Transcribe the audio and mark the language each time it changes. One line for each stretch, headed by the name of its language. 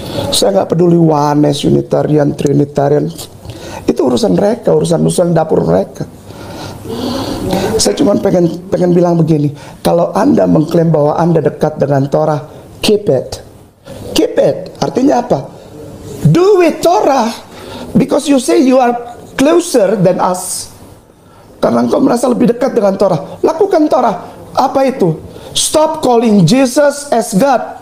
Indonesian: Saya gak peduli Oneness, Unitarian, Trinitarian. Itu urusan mereka, urusan dapur mereka. Saya cuma pengen bilang begini. Kalau Anda mengklaim bahwa Anda dekat dengan Torah,
English: keep it. Keep it,
Indonesian: artinya apa?
English: Do it Torah. Because you say you are closer than us.
Indonesian: Karena engkau merasa lebih dekat dengan Torah. Lakukan Torah, apa itu?
English: Stop calling Jesus as God.